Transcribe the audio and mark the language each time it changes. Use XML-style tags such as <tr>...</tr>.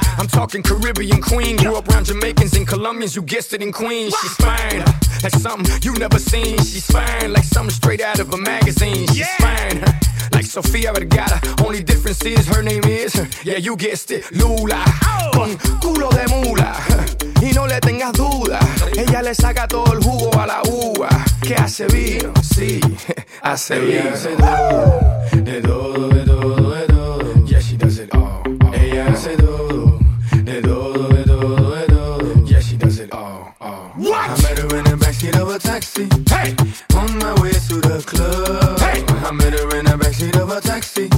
<en>I'm talking Caribbean queen. Grew up around Jamaicans and Colombians. You guessed it in Queens. She's fine. Like something you never seen. She's fine. Like something straight out of a magazine. She's fine. like Sofia Vergara. Only difference is her name is, yeah, you guessed it, Lula.</en> <es>Con culo de mula, y no le tengas duda. Ella le saca todo el jugo a la uva. Que hace vino, sí, hace vino. Ella hace todo, de todo, de todo, de todo.</es> <en>Yeah, she does it all.</en> <es>Ella hace todo, de todo, de todo, de todo.</es> <en>Yeah, she does it all. What? I met her in the backseat of a taxi. Hey, on my way to the club. Hey, I met her in the backseat of a taxi.</en>